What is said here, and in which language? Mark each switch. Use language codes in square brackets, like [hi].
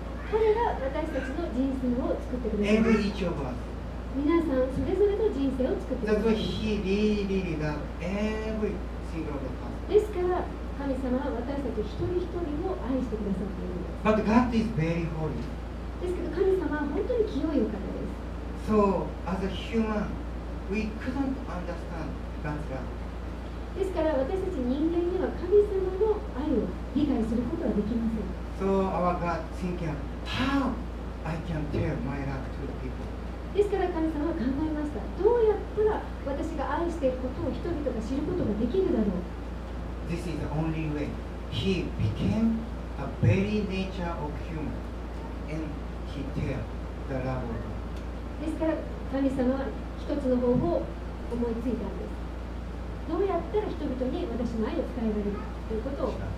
[ja] これが私たちの人生を作ってくれ [en] る。Every each of us. [ja] 皆さんそれぞれの人生を作ってくれる。 [en] That's why He really loved every single of us. [ja] ですから神様は私たち一人一人を愛してくださっているんです。 [en] But God is very holy. [ja] ですけど神様は本当に清いお方です。 [en] So, as a human, we couldn't understand God's love. [ja] ですから私たち人間には神様の愛を理解することはできません。 [en] So, our God thinking, how I can tell my love to the people? [ja] ですから神様は考えました。どうやったら私が愛していることを人々が知ることができるだろう。 [en] This is the only way he became a very nature of human and he tell the love of God. [ja] ですから神様は一つの方法を思いついたんです。どうやったら人々に私の愛を伝えられるということを。